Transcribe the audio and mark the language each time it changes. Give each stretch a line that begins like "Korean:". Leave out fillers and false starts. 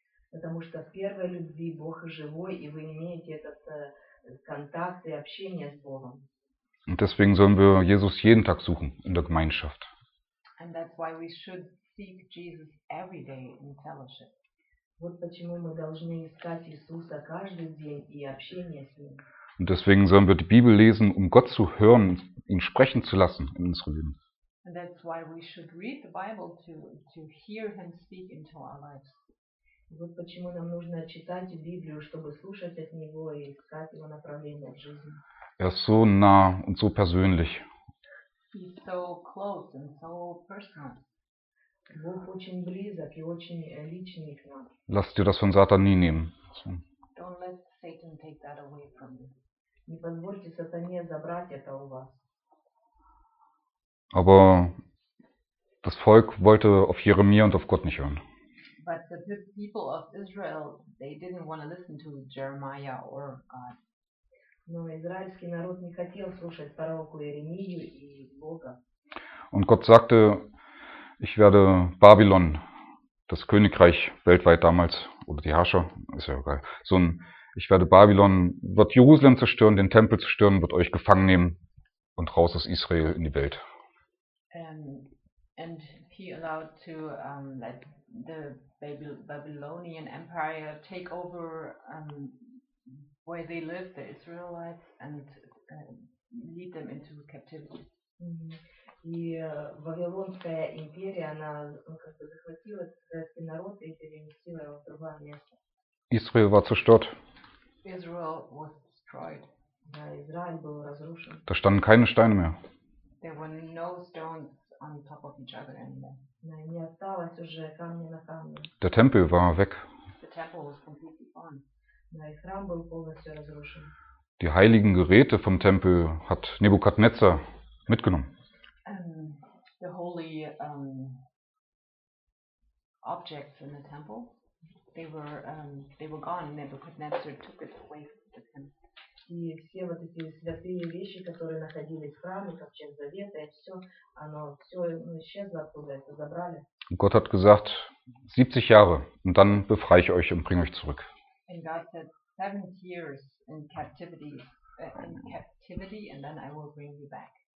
Russian: Потому что в первой любви Бог живой, и вы имеете этот контакт и общение с Богом.
German: Und deswegen sollen wir Jesus jeden Tag suchen in der Gemeinschaft.
English: And that's why we should seek Jesus every day in fellowship.
Russian: Вот почему мы должны искать Иисуса каждый день и общение с ним.
German: Und deswegen sollen wir die Bibel lesen, um Gott zu hören, ihn sprechen zu lassen in unserem Leben.
English: And that's why we should read the Bible to hear him speak into our lives.
Russian: Вот почему нам нужно читать Библию, чтобы слушать от него и искать его направление в жизни.
German: Er ist so nah und so persönlich.
English: He's so close and so personal.
Russian: Бог очень близок и очень личный к нам.
German: Lass dir das von Satan nie nehmen.
English: Don't let Satan take that away from you.
Russian: Не позвольте сатане забрать это у вас.
German: Aber das Volk wollte auf Jeremia und auf Gott nicht hören.
English: But the people of Israel, they didn't want to listen to Jeremiah or God.
Russian: Но израильский народ не хотел слушать пророку Иеремию и Бога.
German: Und Gott sagte, ich werde Babylon, das Königreich weltweit damals, oder die Herrscher, ist ja egal, ich werde Babylon, wird Jerusalem zerstören, den Tempel zerstören, wird euch gefangen nehmen und raus aus Israel in die Welt.
English: And he allowed to let the Babylonian Empire take over where they live, the Israelites, and lead them into captivity.
Russian: И Вавилонская империя, она как-то захватила этот народ и перенесла его в другое место.
German: Israel war zerstört.
English: Israel was destroyed.
Russian: Да, Израиль был разрушен.
German: Da standen keine Steine mehr.
English: There were no stones on top of each other anymore.
German: Nein,
Russian: не осталось уже камня на камне.
German: Der Tempel war weg.
English: The temple was completely gone.
German: Nein,
Russian: Храм был полностью разрушен.
German: Die heiligen Geräte vom Tempel hat Nebukadnezar mitgenommen.
English: The holy objects in the temple, they were gone. Nebuchadnezzar took it away from the temple.
Russian: И все вот эти святые вещи, которые находились в храме, ковчег завета, и все, оно все исчезло оттуда, это забрали.
German: Gott hat gesagt, 70 Jahre, und dann befreie ich euch und bringe euch zurück.
English: And God said, 70 years in captivity, and then I will bring you back.